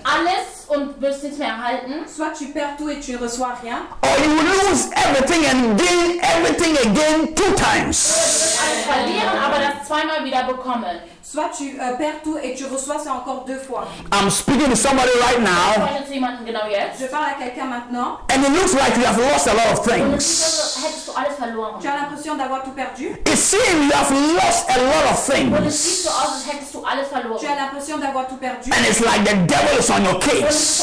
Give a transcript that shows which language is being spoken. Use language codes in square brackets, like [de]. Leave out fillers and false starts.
[de] Alles und wirst nichts mehr erhalten. [fr] Soit tu perds tout et tu reçois rien. [en] Or you lose everything and gain everything again two times. [de] Alles verlieren, aber das zweimal wieder bekommen. [fr] Soit tu perds tout et tu reçois ça encore deux fois. [en] I'm speaking to somebody right now. [fr] Je parle à quelqu'un maintenant. [en] And it looks like you have lost a lot of things. [fr] Tu as l'impression d'avoir tout perdu. [en] It seems you have lost a lot of things. [fr] Tu as l'impression d'avoir tout perdu. [en] And it's like the devil is on your case.